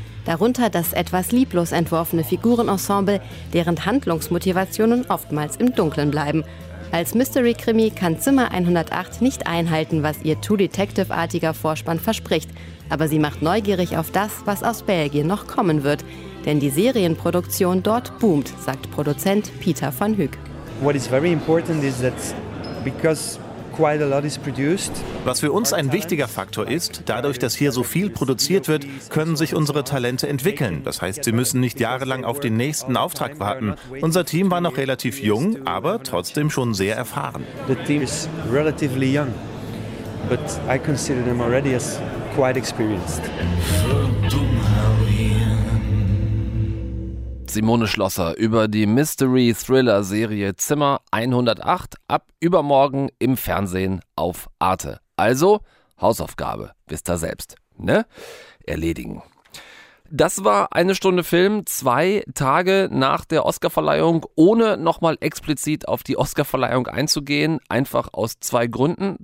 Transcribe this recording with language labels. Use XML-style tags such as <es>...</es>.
<de>Darunter das etwas lieblos entworfene Figurenensemble, deren Handlungsmotivationen oftmals im Dunkeln bleiben. Als Mystery-Krimi kann Zimmer 108 nicht einhalten, was ihr Too-Detective-artiger Vorspann verspricht. Aber sie macht neugierig auf das, was aus Belgien noch kommen wird. Denn die Serienproduktion dort boomt, sagt Produzent Peter van Hoek.</de> <en>What is very important is that because quite a lot is produced.</en> <de>Was für uns ein wichtiger Faktor ist, dadurch, dass hier so viel produziert wird, können sich unsere Talente entwickeln. Das heißt, sie müssen nicht jahrelang auf den nächsten Auftrag warten. Unser Team war noch relativ jung, aber trotzdem schon sehr erfahren.</de> <en>The team is relatively young, but I consider them already as quite experienced.</en> <de>Simone Schlosser über die Mystery-Thriller-Serie Zimmer 108 ab übermorgen im Fernsehen auf Arte. Also Hausaufgabe, wisst ihr selbst, ne? Erledigen. Das war eine Stunde Film, zwei Tage nach der Oscarverleihung, ohne nochmal explizit auf die Oscarverleihung einzugehen, einfach aus zwei Gründen.</de>